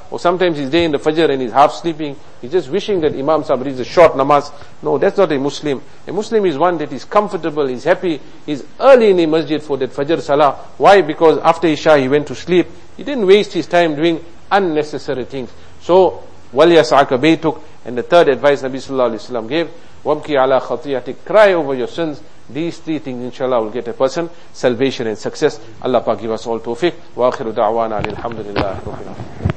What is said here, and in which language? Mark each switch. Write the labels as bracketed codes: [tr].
[en] Or sometimes he's there in the Fajr and he's half sleeping, he's just wishing that Imam Sahib reads a short namaz. No, that's not a Muslim. A Muslim is one that is comfortable, he's happy, he's early in the masjid for that Fajr Salah. Why? Because after Isha he went to sleep. He didn't waste his time doing unnecessary things. So, [ar] وَلْيَسْعَكَ بَيْتُكَ. [en] And the third advice Nabi Sallallahu Alaihi Wasallam gave, [ar] وَبْكِ عَلَىٰ خَطِيَتِكَ, [en] cry over your sins. These three things, inshallah, will get a person salvation and success. Allah Pak give us all tawfiq. [ar] وَآخِرُ دَعْوَانَا عَلِي الْحَمْدُ لِلَّهِ رُبِّ الْعَالَمِينَ.